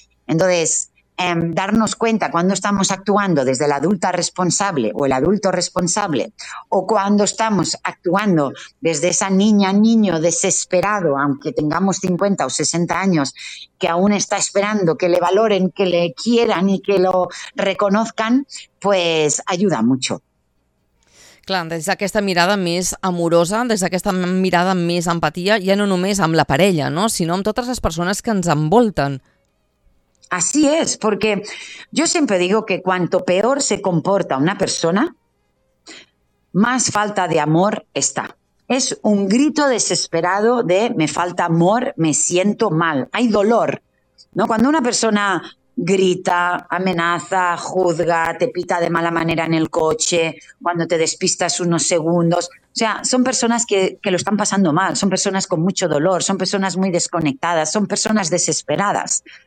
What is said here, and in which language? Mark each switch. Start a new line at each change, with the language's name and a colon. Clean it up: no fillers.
Spanish: Entonces, darnos cuenta cuando estamos actuando desde la adulta responsable o el adulto responsable o cuando estamos actuando desde esa niña, niño desesperado, aunque tengamos 50 o 60 años, que aún está esperando que le valoren, que le quieran y que lo reconozcan, pues ayuda mucho.
Catalan: Clar, des d'aquesta mirada més amorosa, des d'aquesta mirada més empatia, ja no només amb la parella, no?, sinó amb totes les persones que ens envolten.
Spanish: Así es, porque yo siempre digo que cuanto peor se comporta una persona, más falta de amor está. Es un grito desesperado de me falta amor, me siento mal, hay dolor, ¿no? Cuando una persona grita, amenaza, juzga, te pita de mala manera en el coche, cuando te despistas unos segundos, o sea, son personas que lo están pasando mal, son personas con mucho dolor, son personas muy desconectadas, son personas desesperadas.